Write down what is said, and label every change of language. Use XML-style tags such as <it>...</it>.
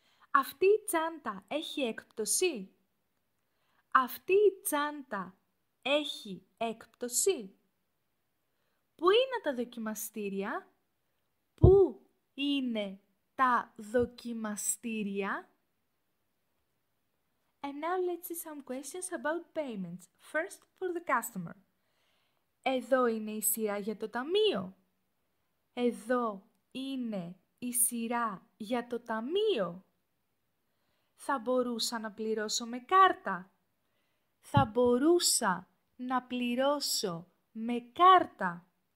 <el>Αυτή η τσάντα έχει έκπτωση? Αυτή η τσάντα έχει έκπτωση? Πού είναι τα δοκιμαστήρια? Πού είναι τα δοκιμαστήρια?</el> <en>And now let's see some questions about payments. First for the customer.</en> <el>Εδώ είναι η σειρά για το ταμείο. Εδώ είναι η σειρά για το ταμείο. Θα μπορούσα να πληρώσω με κάρτα. Θα μπορούσα να πληρώσω με κάρτα.</el>